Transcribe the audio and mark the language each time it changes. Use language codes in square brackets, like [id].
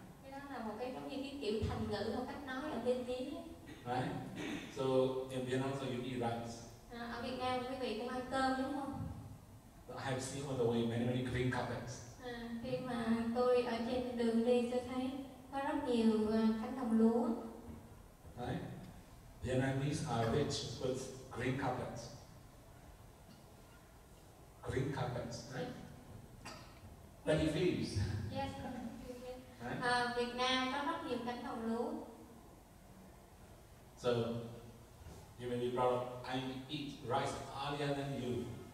[vi] Cái đó là một cái giống như cái kiểu thành ngữ hoặc cách nói ở bên tiếng. [en] Right. So in Vietnam, so you eat rice. [vi] Ở Việt Nam quý vị cũng ăn cơm đúng không? [en] But I have seen on the way many green carpets. [vi] Khi mà tôi ở trên đường nhiều cánh đồng lúa. [en] Right? Vietnamese are rich with green carpets. Green carpets, right? Many fields. Yes. Right? [vi] Việt Nam có rất nhiều cánh đồng lúa. [en] So, you may be proud of, I eat rice earlier than you.